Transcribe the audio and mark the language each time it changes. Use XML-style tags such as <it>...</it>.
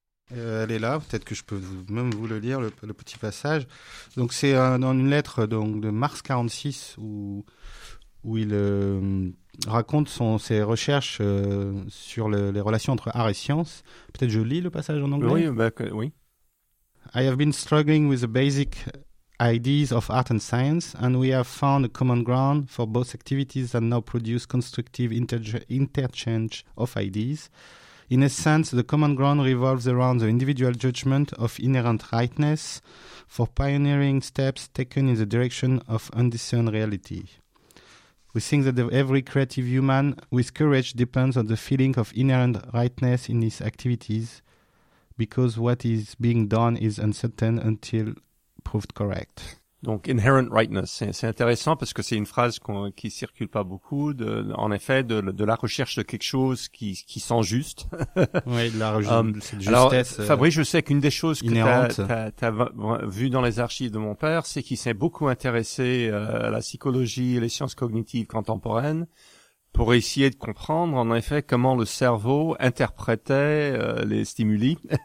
<fr>Elle est là, peut-être que je peux même vous le lire, le petit passage. Donc c'est dans une lettre donc de mars 46 où il raconte ses recherches sur les relations entre art et science. Peut-être je lis le passage en anglais. Oui, oui.</fr> <en>I have been struggling with the basic ideas of art and science, and we have found a common ground for both activities that now produce constructive interchange of ideas. In a sense, the common ground revolves around the individual judgment of inherent rightness for pioneering steps taken in the direction of undiscerned reality. We think that every creative human with courage depends on the feeling of inherent rightness in his activities, because what is being done is uncertain until proved correct.</en> <fr>Donc,</fr> <en>inherent rightness,</en> <fr>c'est intéressant parce que c'est une phrase qui circule pas beaucoup, en effet, de la recherche de quelque chose qui sent juste. Oui, de la justesse. Alors, Fabrice, je sais qu'une des choses que t'as vu dans les archives de mon père, c'est qu'il s'est beaucoup intéressé à la psychologie et les sciences cognitives contemporaines pour essayer de comprendre, en effet, comment le cerveau interprétait les stimuli.</fr>